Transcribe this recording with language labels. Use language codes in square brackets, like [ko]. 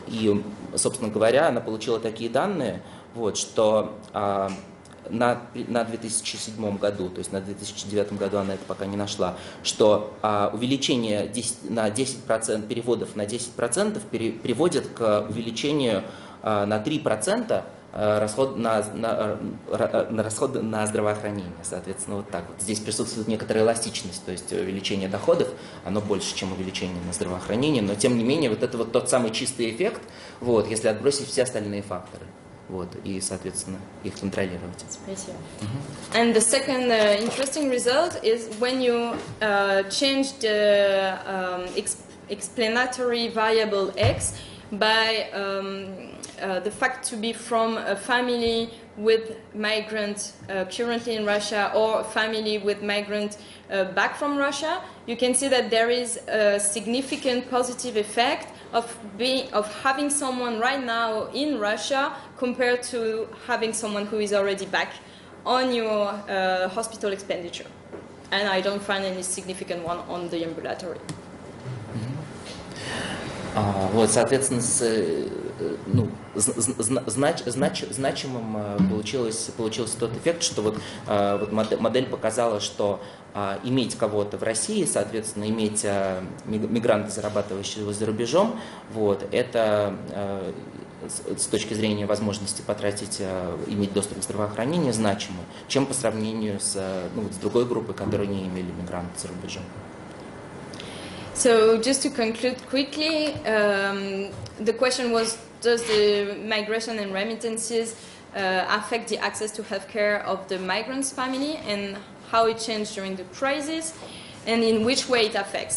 [ru] И, собственно говоря, она получила такие данные, вот, что на 2007 году, то есть на 2009 году она это пока не нашла, что увеличение на 10% переводов на 10% приводит к увеличению на 3% расход на здравоохранение, соответственно, вот так вот. Здесь присутствует некоторая эластичность, то есть увеличение доходов, оно больше, чем увеличение на здравоохранение, но тем не менее, вот это вот тот самый чистый эффект, вот, если отбросить все остальные факторы, вот, и, соответственно, их контролировать. Спасибо. Uh-huh. [en] And the second interesting result is when you change the explanatory variable X by the fact to be from a family with migrant currently in Russia or a family with migrant back from Russia, you can see that there is a significant positive effect of having someone right now in Russia compared to having someone who is already back on your hospital expenditure. And I don't find any significant one on the ambulatory. [ru] Вот, соответственно, ну, значимым получился тот эффект, что вот модель показала, что иметь кого-то в России, соответственно, иметь мигранта, зарабатывающего за рубежом, вот, это с точки зрения возможности потратить, иметь доступ к здравоохранению, значимо, чем по сравнению с другой группой, которые не имели мигранта за рубежом. [en] So just to conclude quickly, the question was, does the migration and remittances affect the access to healthcare of the migrants' family and how it changed during the crisis and in which way it affects?